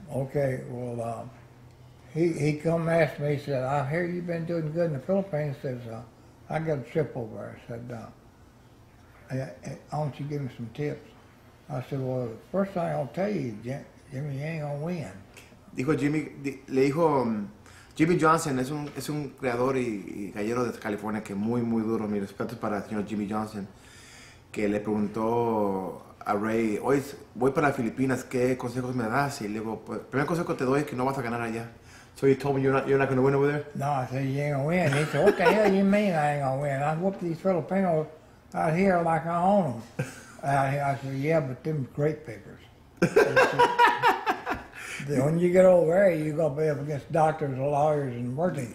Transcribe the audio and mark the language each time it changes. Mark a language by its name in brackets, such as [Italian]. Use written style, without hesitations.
[English] Okay, well, he come ask me, he said, I hear you've been doing good in the Philippines. He says, I got a trip over. I said, why don't you give me some tips? I said, well, first thing I'll tell you, Jimmy, you ain't gonna win. [Spanish] Dijo Jimmy, le dijo, Jimmy Johnson es un creador y gallero de California que muy, muy duro. Mi respeto para el señor Jimmy Johnson, que le preguntó a Ray, hoy voy para Filipinas, ¿qué consejos me das? Y le digo, pues, primer consejo que te doy es que no vas a ganar allá. [English] So he told me you're not going to win over there? No, I said, you ain't going to win. He said, what the hell you mean I ain't going to win? I whooped these Filipinos out here like I own them. I said, yeah, but them grape pickers. When you get over there, you're going to be up against doctors, lawyers, and merchants.